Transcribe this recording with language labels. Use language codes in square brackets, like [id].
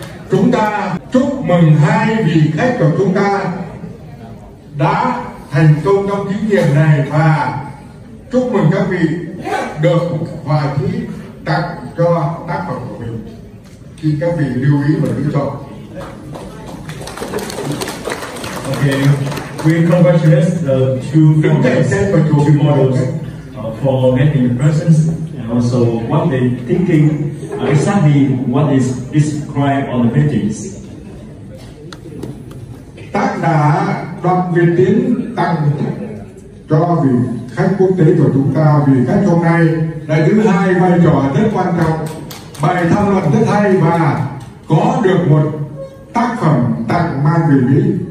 [vi] Chúng ta chúc mừng hai vị khách của chúng ta đã thành công trong thí nghiệm này và chúc mừng các vị được hòa thí tặng cho tác phẩm của mình. Khi các vị lưu ý và lựa chọn. [en] Okay, we congratulate the two models for getting the presents and also what they thinking exactly what is described on the paintings. [vi] Tác giả Đoàn Việt Tiến tặng cho vị khách quốc tế của chúng ta, vị khách hôm nay là thứ hai vai trò rất quan trọng, bài tham luận rất hay và có được một tác phẩm tặng mang về Mỹ.